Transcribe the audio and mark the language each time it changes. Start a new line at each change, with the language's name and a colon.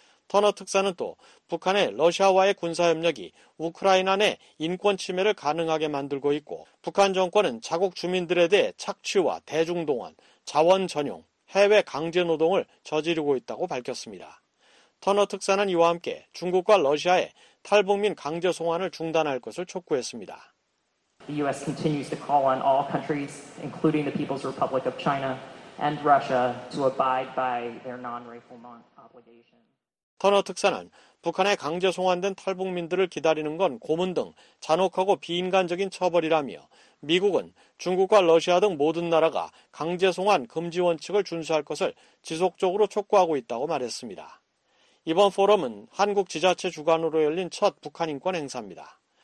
Korean: 터너 특사는 또 북한의 러시아와의 군사협력이 우크라이나 내 인권 침해를 가능하게 만들고 있고 북한 정권은 자국 주민들에 대해 착취와 대중동원, 자원 전용, 해외 강제노동을 저지르고 있다고 밝혔습니다. 터너 특사는 이와 함께 중국과 러시아에 탈북민 강제 송환을 중단할 것을 촉구했습니다.
English: The U.S. continues to call on all countries, including the People's Republic of China and Russia, to abide by their non-refoulement obligations.
Korean: 터너 특사는 북한에 강제 송환된 탈북민들을 기다리는 건 고문 등 잔혹하고 비인간적인 처벌이라며 미국은 중국과 러시아 등 모든 나라가 강제 송환 금지 원칙을 준수할 것을 지속적으로 촉구하고 있다고 말했습니다. 이번 포럼은 한국 지자체 주관으로 열린 첫 북한인권 행사입니다.